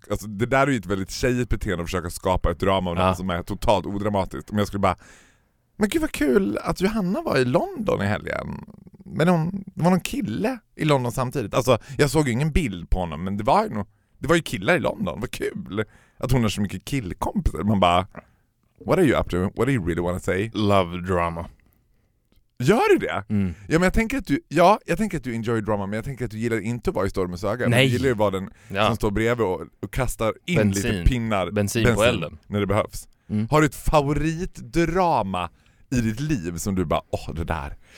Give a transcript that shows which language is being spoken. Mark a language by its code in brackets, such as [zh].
[sv] Alltså, det där är ju ett väldigt tjejigt beteende att försöka skapa ett drama av något som är totalt odramatiskt. Men jag skulle bara... Men gud vad kul att Johanna var i London i helgen. Men hon, det var någon kille i London samtidigt. Alltså jag såg ju ingen bild på honom. Men det var ju killar i London. Vad kul att hon har så mycket killkompisar. Man bara, [en] what are you up to? What do you really want to say? Love drama. [sv] Gör du det? Mm. Ja, men jag tänker att du [en] enjoy drama. [sv] Men jag tänker att du gillar inte att vara i stormens öga. Nej. Du gillar ju vara den som står bredvid och kastar in bensin. Lite pinnar. Bensin på elden. När det behövs. Mm. Har du ett favoritdrama i ditt liv som du bara, åh, det där.